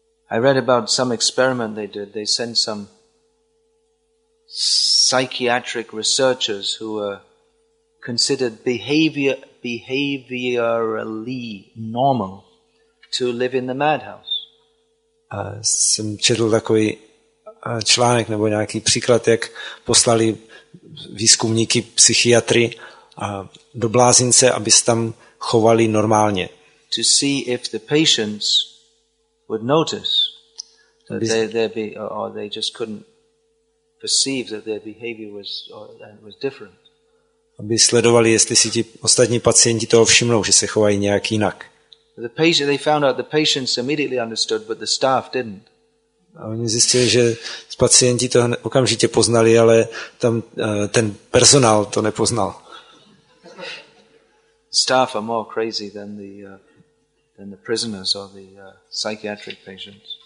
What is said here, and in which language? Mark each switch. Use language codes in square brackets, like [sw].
[en] I read about some experiment they did. They sent some psychiatric researchers who were considered behaviorally normal to live in the madhouse. [cs] Jsem četl takový článek nebo nějaký příklad, jak poslali výzkumníky psychiatry do blázince, aby se tam chovali normálně. [en] To see if the patients would notice that they just couldn't perceive that their behavior was different. [cs] Aby sledovali, jestli si ti ostatní pacienti toho všimnou, že se chovají nějak jinak. [en] They found out the patients immediately understood, but the staff didn't. [cs] A oni zjistili, že pacienti to okamžitě poznali, ale tam ten personál to nepoznal. [en] Staff are more crazy than the prisoners or the psychiatric patients.